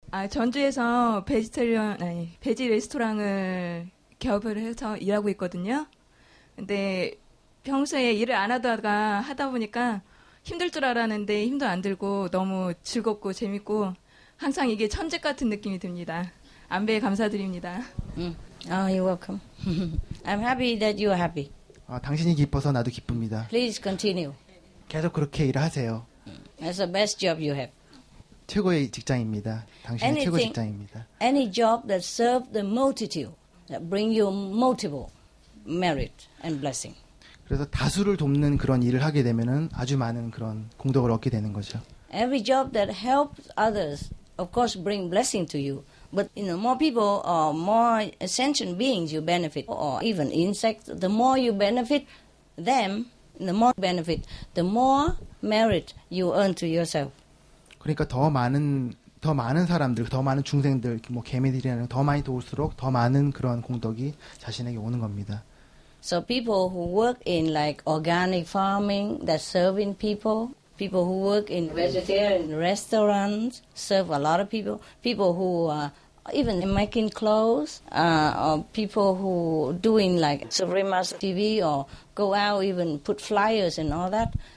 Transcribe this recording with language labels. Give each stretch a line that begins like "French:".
Korean: 전주에서 베지 레스토랑을 개업을 해서 일하고 있거든요. 근데 평소에 일을 안 하다가 하다 보니까 힘들 줄 알았는데 힘도 안 들고 너무 즐겁고 재밌고 항상 이게 천재 같은 느낌이 듭니다. 안배에 감사드립니다.
English: Oh, you're welcome. I'm happy that you're happy.
Korean: 아, 당신이 기뻐서 나도 기쁩니다.
English: Please continue.
Korean: 계속 그렇게 일하세요.
English: That's the best job you have.
Korean: 최고의 직장입니다. 당신이
English: Anything,
Korean: 최고 직장입니다.
English: Any job that serve the multitude that bring you multiple merit and blessing.
Korean: 그래서 다수를 돕는 그런 일을 하게 되면은 아주 많은 그런 공덕을 얻게 되는 거죠.
English: Every job that helps others of course bring blessing to you. But you know, more people or more sentient beings you benefit, or even insects, the more you benefit them, the more benefit, the more merit you earn to yourself.
Korean: 그러니까 더 많은 사람들, 더 많은 중생들, 뭐 개미들이라는 더 많이 도울수록 더 많은 그런 공덕이 자신에게 오는 겁니다.
English: So people who work in like organic farming, that serving people. People who work in vegetarian restaurants serve a lot of people. People who are even making clothes, or people who doing like Supreme Master TV or go out even put flyers and all that.